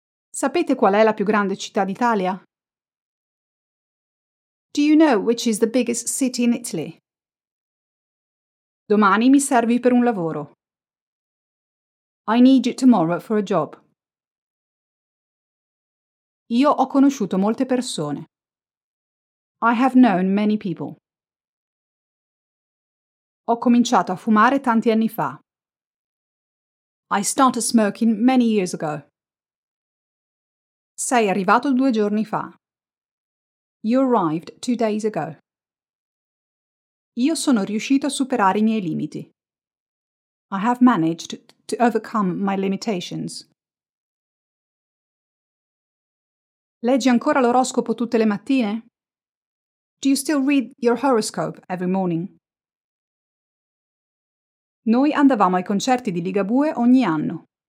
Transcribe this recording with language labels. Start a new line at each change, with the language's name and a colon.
Italian: Sapete qual è la più grande città d'Italia?
English: Do you know which is the biggest city in Italy?
Italian: Domani mi servi per un lavoro.
English: I need you tomorrow for a job.
Italian: Io ho conosciuto molte persone.
English: I have known many people.
Italian: Ho cominciato a fumare tanti anni fa.
English: I started smoking many years ago.
Italian: Sei arrivato due giorni fa.
English: You arrived 2 days ago.
Italian: Io sono riuscito a superare I miei limiti.
English: I have managed to overcome my limitations.
Italian: Leggi ancora l'oroscopo tutte le mattine?
English: Do you still read your horoscope every morning?
Italian: Noi andavamo ai concerti di Ligabue ogni anno.